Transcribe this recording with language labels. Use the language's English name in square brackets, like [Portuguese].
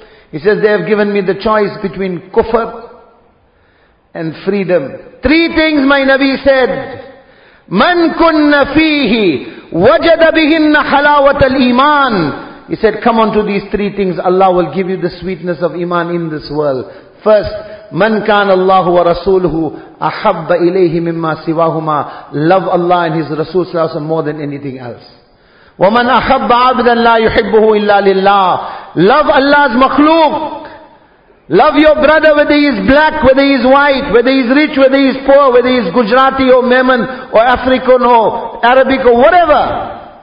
[English] He says, they have given me the choice between kufr and freedom. Three things my Nabi said. [Arabic] مَنْ كُنَّ فِيهِ وَجَدَ بِهِنَّ حَلَاوَةَ الْإِيمَانِ. [English] He said, come on to these three things. Allah will give you the sweetness of iman in this world. First, [Arabic] مَنْ كَانَ اللَّهُ وَرَسُولُهُ أَحَبَّ إِلَيْهِ مِمَّا سِوَاهُمَا. [English] Love Allah and His Rasul [Arabic] صلى الله عليه وسلم [English] more than anything else. [Arabic] وَمَنْ أَحَبَّ عَبْدًا لَا يُحِبُّهُ إِلَّا لِلَّهِ. [English] Love Allah's makhluk. Love your brother whether he is black, whether he is white, whether he is rich, whether he is poor, whether he is Gujarati or Meman or African or Arabic or whatever.